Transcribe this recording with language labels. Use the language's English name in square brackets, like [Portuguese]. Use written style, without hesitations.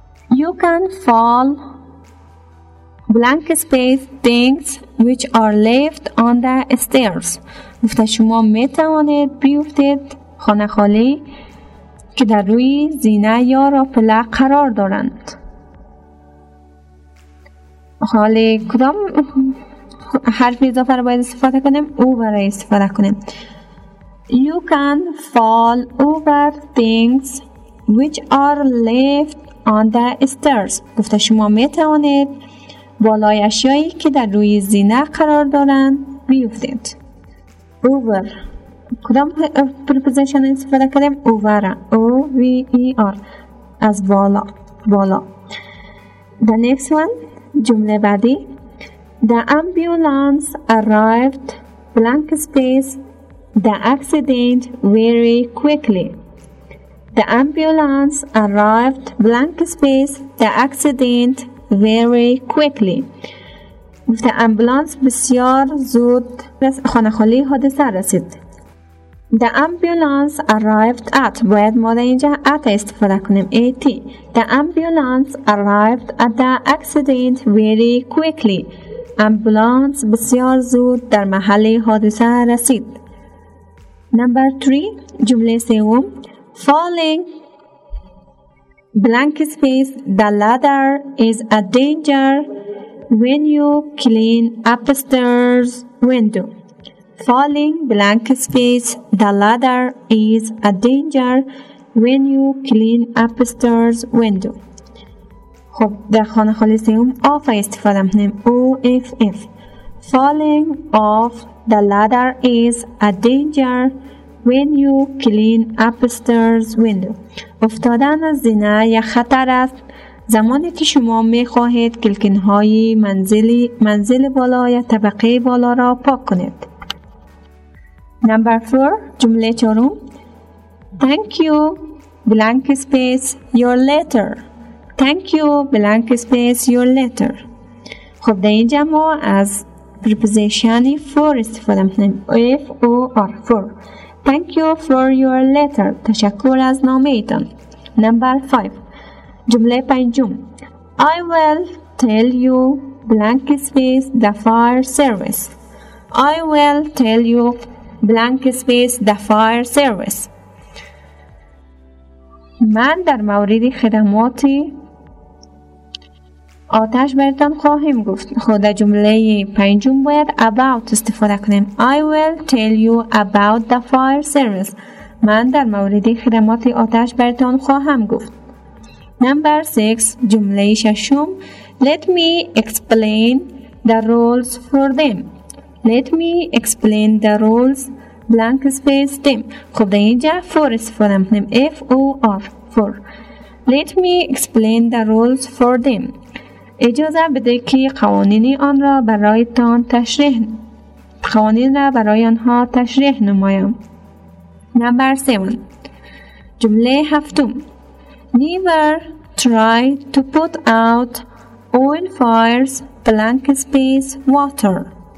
[English] You can fall blank space things which are left on the stairs. [Persian] گفته شما میتوانید بیفتید خانه خالی که در روی زینه یا راپله قرار دارند. خالی کدام حرف اضافه را باید استفاده کنیم؟ او برای استفاده کنیم. [English] You can fall over things which are left on the stairs. [Persian] گفته شما میتوانید بالای اشیایی که در روی زینه قرار دارن بیفتید. Over، کدام پرپوزیشن استفاده کردیم؟ Over، O V E R، از بالا، بالا. [English] The next one، [Persian] جمله بعدی. [English] The ambulance arrived blank space the accident very quickly. The ambulance arrived blank space the accident very quickly. The ambulance [Persian] بسیار زود خانه خالی حادثه رسید. [English] The ambulance arrived at، [Persian] باید ما در اینجا at استفاده کنیم، at. [English] The ambulance arrived at the accident very quickly. [Persian] Ambulance بسیار زود در محل حادثه رسید. [English] Number 3، [Persian] جمله سوم. [English] Falling blank space the ladder is a danger when you clean upstairs window. Falling blank space the ladder is a danger when you clean upstairs window. [Persian] خب در خانه خالی سوم آف استفاده میکنیم، او اف اف. [English] Falling off the ladder is a danger when you clean upstairs window. [Persian] افتادن از زینه یک خطر است زمانی که شما میخواهید کلکین های منزل بالا یا طبقه بالا را پاک کنید. [English] Number 4، [Persian] جمله چهارم. [English] Thank you blank space your letter. Thank you blank space your letter. [Persian] خب در اینجا ما از preposition for استفاده میکنیم، f o r، for. [English] Thank you for your letter. [Persian] تشکر از نامه‌تان. [English] Number 5، [Persian] جمله پنجم. [English] I will tell you blank space the fire service. I will tell you blank space the fire service. [Persian] من در مورد خدمات آتش برتان خواهم گفت. خود جمله پنجم باید about استفاده کنیم. [English] I will tell you about the fire service. [Persian] من در مورد خدمات آتش برتان خواهم گفت. [English] Number 6، [Persian] جمله ششم. [English] Let me explain the rules for them. Let me explain the rules blank space them. [Persian] خب در اینجا for استفاده کنیم، F O R، for. [English] Let me explain the rules for them. [Persian] اجازه بده که قوانین آن را برایتان تشریح، قوانین را برای آنها تشریح نمایم. [English] Number 7، [Persian] جمله هفتم. [English] Never try to put out oil fires blank space water.